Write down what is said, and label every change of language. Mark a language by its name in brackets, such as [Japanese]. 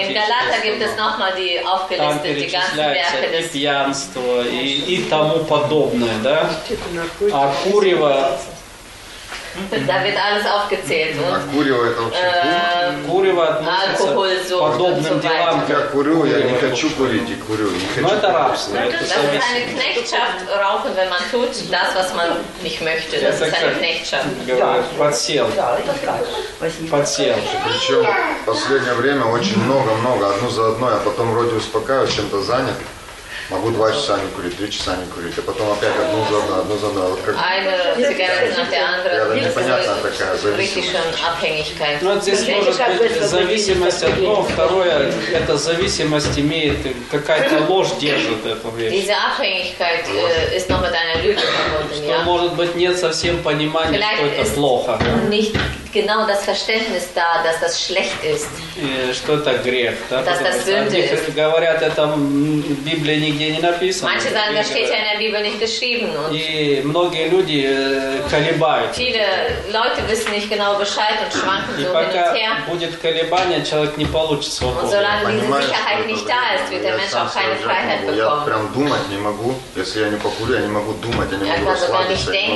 [German] In Galata gibt es nochmal die aufgelistet, die ganzen Werke des... [Russian] И пьянство, и тому подобное, да? А курево... [German] Da wird alles aufgezählt. [Russian] А курево это вообще... Курево относится к подобным делам. Я курю, я не хочу курить, и курю. Но это рабство, это зависимость. [German] Das ist eine Knechtschaft, rauchen, wenn man tut das, was man nicht möchte. Das ist eine Knechtschaft. [Russian] Подсел. Подсел. Причем в последнее время очень много-много, одно за одной, а потом вроде успокаиваюсь, чем-то занят. Могу два часа не курить, три часа не курить, а потом опять одну за одной. Вот как... Непонятная такая зависимость. Ну, вот здесь может быть зависимость одно, второе, эта зависимость имеет, какая-то ложь держит эту вещь. Что, может быть, нет совсем понимания, что это плохо. [German] genau das Verständnis da, dass das schlecht ist. [Russian] Что это грех, да? [German] Dass das Sünde ist. [Russian] Говорят, это в Библии нигде не написано. [German] Manche sagen, das steht ja in der Bibel nicht geschrieben. [Russian] И многие люди колебают. [German] Viele Leute wissen nicht genau Bescheid und schwanken so hin und her. [Russian] И пока будет колебание, человек не получит свободу. [German] Und solange diese Sicherheit nicht da ist, wird der Mensch auch keine Freiheit bekommen. [Russian] Я прям думать не могу, если я не покурю, я не могу думать, я не могу расслабиться.